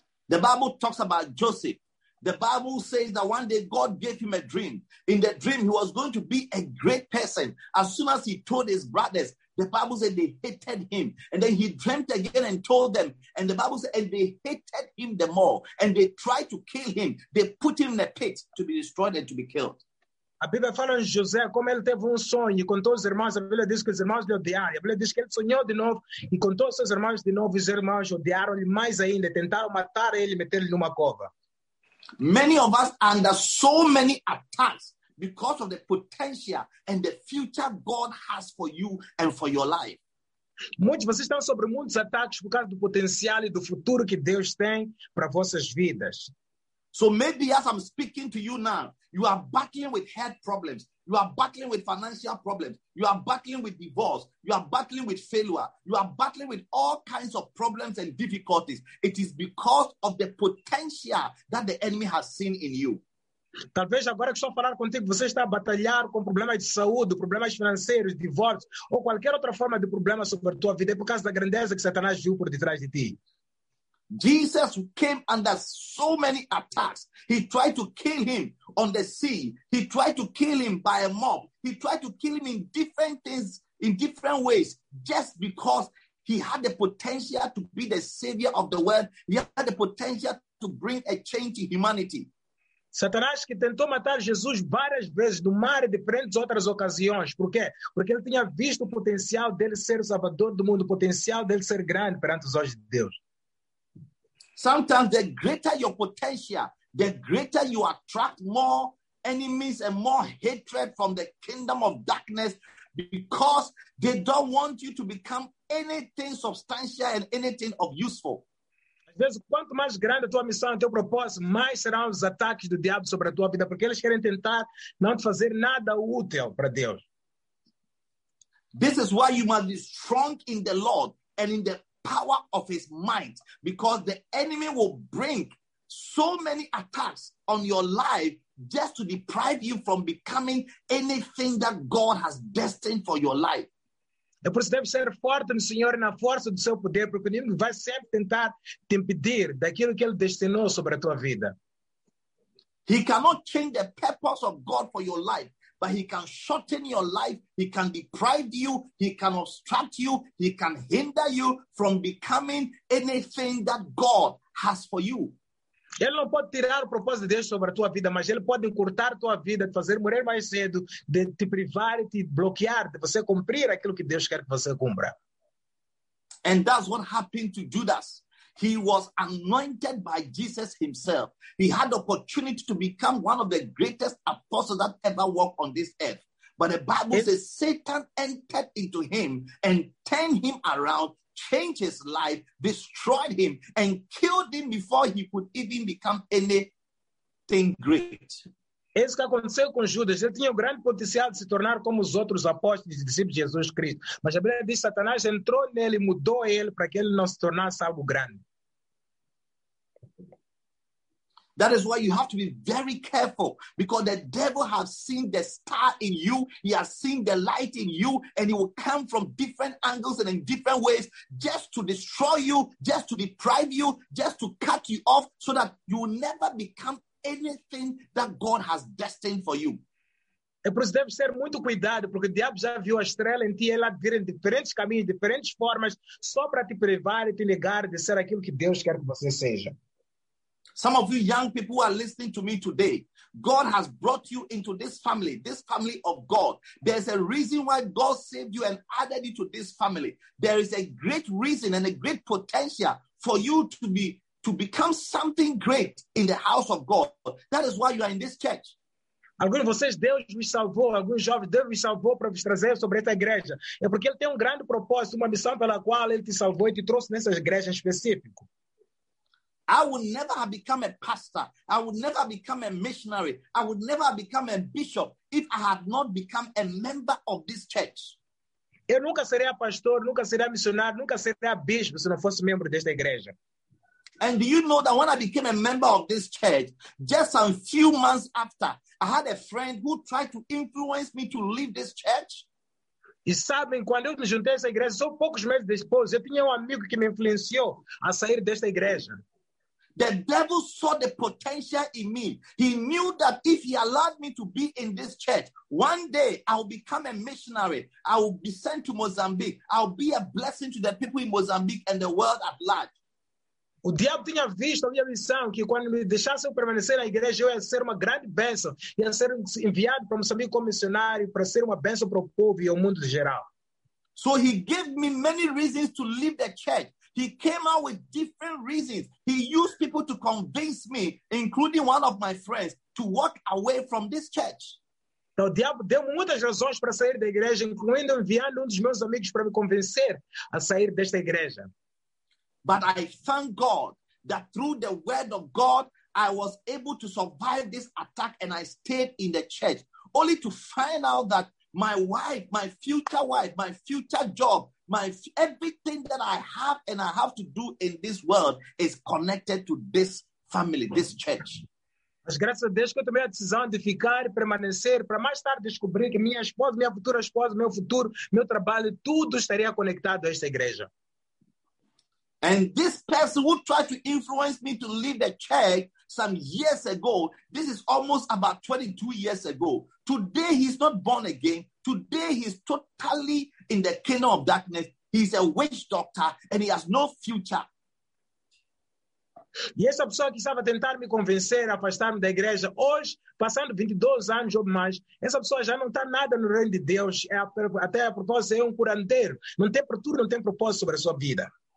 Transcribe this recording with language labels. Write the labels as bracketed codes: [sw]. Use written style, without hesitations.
[en] The Bible talks about Joseph. The Bible says that one day God gave him a dream. In the dream, he was going to be a great person. As soon as he told his brothers, the Bible said they hated him. And then he dreamt again and told them. And the Bible said, and they hated him the more. And they tried to kill him. They put him in a pit to be destroyed and to be killed. [pt] A Bíblia fala em José, como ele teve sonho e contou aos irmãos, a Bíblia diz que os irmãos lhe odiaram. A Bíblia diz que ele sonhou de novo e contou aos seus irmãos de novo. Os irmãos odiaram-lhe mais ainda, tentaram matar ele e meter-lhe numa cova. [en] Many of us are under so many attacks because of the potential and the future God has for you and for your life. [pt] Muitos de vocês estão sobre muitos ataques por causa do potencial e do futuro que Deus tem para vossas vidas. [en] So maybe as I'm speaking to you now, you are battling with health problems. You are battling with financial problems. You are battling with divorce. You are battling with failure. You are battling with all kinds of problems and difficulties. It is because of the potential that the enemy has seen in you. [pt] Talvez agora que estou a falar contigo, você está a batalhar com problemas de saúde, problemas financeiros, divórcio, ou qualquer outra forma de problema sobre a tua vida, por causa da grandeza que Satanás viu por detrás de ti. [en] Jesus came under so many attacks. He tried to kill him on the sea. He tried to kill him by a mob. He tried to kill him in different things, in different ways, just because he had the potential to be the savior of the world. He had the potential to bring a change to humanity. [pt] Satanás que tentou matar Jesus várias vezes no mar e diferentes outras ocasiões. Por quê? Porque ele tinha visto o potencial dele ser o salvador do mundo, o potencial dele ser grande perante os olhos de Deus. [en] Sometimes the greater your potential, the greater you attract more enemies and more hatred from the kingdom of darkness, because they don't want you to become anything substantial and anything of useful. [pt] Às vezes, quanto mais grande a tua missão, o teu propósito, mais serão os ataques do diabo sobre a tua vida, porque eles querem tentar não te fazer nada útil para Deus. [en] This is why you must be strong in the Lord and in the power of his might, because the enemy will bring so many attacks on your life just to deprive you from becoming anything that God has destined for your life. [pt] É por isso que deve ser forte no Senhor e na força do seu poder, porque o inimigo vai sempre tentar te impedir daquilo que ele destinou sobre a tua vida. [en] He cannot change the purpose of God for your life, but he can shorten your life, he can deprive you, he can obstruct you, he can hinder you from becoming anything that God has for you. [pt] Ele não pode tirar o propósito de Deus sobre a tua vida, mas ele pode encurtar a tua vida, te fazer morrer mais cedo, de te privar e te bloquear, de você cumprir aquilo que Deus quer que você cumpra. [en] And that's what happened to Judas. He was anointed by Jesus himself. He had the opportunity to become one of the greatest apostles that ever walked on this earth. But the Bible says Satan entered into him and turned him around, changed his life, destroyed him, and killed him before he could even become anything great. [pt] Isso que aconteceu com Judas, ele tinha o grande potencial de se tornar como os outros apóstolos e discípulos de Jesus Cristo. Mas a Bíblia diz que Satanás entrou nele e mudou ele para que ele não se tornasse algo grande. [en] That is why you have to be very careful, because the devil has seen the star in you, he has seen the light in you, and he will come from different angles and in different ways just to destroy you, just to deprive you, just to cut you off so that you will never become anything that God has destined for you. [pt] É por isso que deve ser muito cuidado, porque o diabo já viu a estrela em ti, ela vira em diferentes caminhos, diferentes formas, só para te privar e te negar de ser aquilo que Deus quer que você seja. [en] Some of you young people who are listening to me today, God has brought you into this family of God. There's a reason why God saved you and added you to this family. There is a great reason and a great potential for you to become something great in the house of God. That is why you are in this church. [pt] Alguns de vocês, Deus me salvou, alguns jovens, Deus me salvou para vos trazer sobre esta igreja. É porque ele tem um grande propósito, uma missão pela qual ele te salvou e te trouxe nessa igreja específica. [en] I would never have become a pastor. I would never have become a missionary. I would never have become a bishop if I had not become a member of this church. [pt] Eu nunca seria pastor, nunca seria missionário, nunca seria bispo se não fosse membro desta igreja. [en] And do you know that when I became a member of this church, just a few months after, I had a friend who tried to influence me to leave this church? [pt] E sabem, quando eu me juntei a essa igreja, só poucos meses depois, eu tinha um amigo que me influenciou a sair desta igreja. [en] The devil saw the potential in me. He knew that if he allowed me to be in this church, one day I'll become a missionary. I'll be sent to Mozambique. I'll be a blessing to the people in Mozambique and the world at large. [pt] O diabo tinha visto a minha missão, que quando me deixasse eu permanecer na igreja, eu ia ser uma grande bênção. Ia ser enviado para Moçambique como missionário, para ser uma bênção para o povo e o mundo em geral. [en] So he gave me many reasons to leave the church. He came out with different reasons. He used people to convince me, including one of my friends, to walk away from this church. [pt] Então, o diabo deu muitas razões para sair da igreja, incluindo enviando um dos meus amigos para me convencer a sair desta igreja. [en] But I thank God that through the word of God, I was able to survive this attack and I stayed in the church, only to find out that my future wife, my future job, everything that I have and I have to do in this world is connected to this family, this church. [pt] Mas graças a Deus que eu tomei a decisão de ficar e permanecer para mais tarde descobrir que minha esposa, minha futura esposa, meu futuro, meu trabalho, tudo estaria conectado a esta igreja. [en] And this person who tried to influence me to leave the church some years ago, this is almost about 22 years ago. Today, he's not born again. Today, he's totally in the kingdom of darkness. He's a witch doctor, and he has no future. [pt] E essa pessoa que estava a tentar me convencer a afastar-me da igreja, hoje, passando 22 anos ou mais, essa pessoa já não está nada no reino de Deus, é a, até a propósito é um curandeiro, não tem futuro, não tem propósito sobre a sua vida.